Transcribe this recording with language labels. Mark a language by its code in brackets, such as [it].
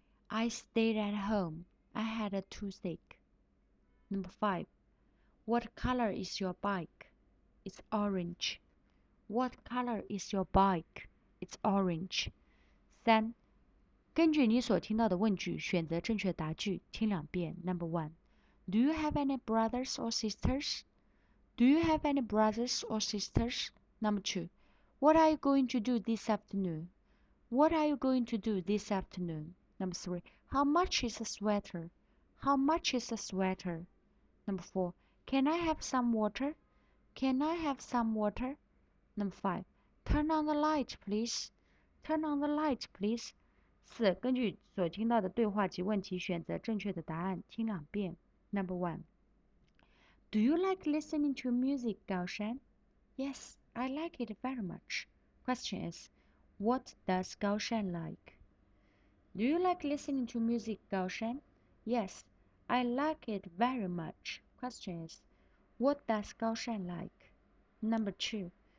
[en] I stayed at home. I had a toothache. Number five. What color is your bike? It's orange. What color is your bike? It's orange。 [zh] 三，根据你所听到的问句选择正确答句，听两遍。 [en] Number one, Do you have any brothers or sisters? Do you have any brothers or sisters? Number two, What are you going to do this afternoon? What are you going to do this afternoon? Number three, How much is a sweater? How much is a sweater? Number four, Can I have some water? Can I have some water? Number five, Turn on the light, please. Turn on the light, please. [zh] 四，根据所听到的对话及问题选择正确的答案，听两遍。 [en] Number one. Do you like listening to music, Gao Shan? Yes, I like it very much. Question is, what does Gao Shan like? Do you like listening to music, Gao Shan? Yes, I like it very much. Question is, what does Gao Shan like? Number two.